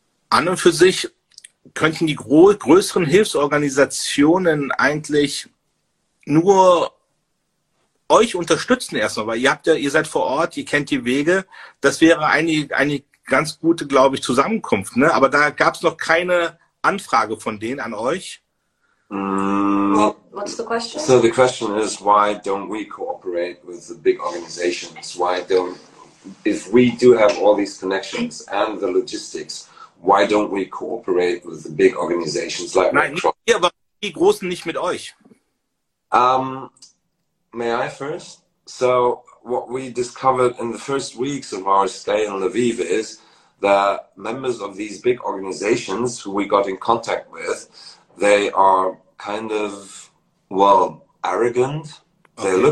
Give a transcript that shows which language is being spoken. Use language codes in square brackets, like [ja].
[de] An und für sich könnten die größeren Hilfsorganisationen eigentlich nur euch unterstützen erstmal, weil ihr seid vor Ort, ihr kennt die Wege. Das wäre eine ganz gute, glaube ich, Zusammenkunft. Ne? Aber da gab es noch keine Anfrage von denen an euch. [en] What's the question? So the question is, why don't we cooperate with the big organizations? Why don't, if we do have all these connections and the logistics, why don't we cooperate with the big organizations like [de] Red Cross? Nein, aber die Großen nicht mit euch. [en] May I first? So what we discovered in the first weeks of our stay in Lviv is that members of these big organizations who we got in contact with, they are kind of, well, arrogant. Okay.